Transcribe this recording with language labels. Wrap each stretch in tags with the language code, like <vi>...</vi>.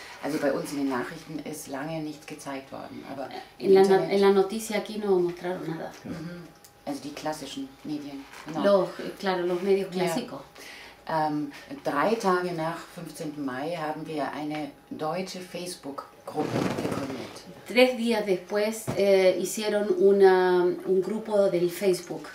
<de>Also bei uns in den Nachrichten ist lange nicht gezeigt worden. Aber</de> <es>in la noticia aquí no mostraron nada. Mhm.</es> <de>Also die klassischen Medien.</de> <es>Genau. Los medios clásicos. Ja.</es> <de>Drei Tage nach 15. Mai haben wir eine deutsche Facebook-Gruppe gegründet.</de> <es>Tres días después hicieron un grupo del Facebook.</es>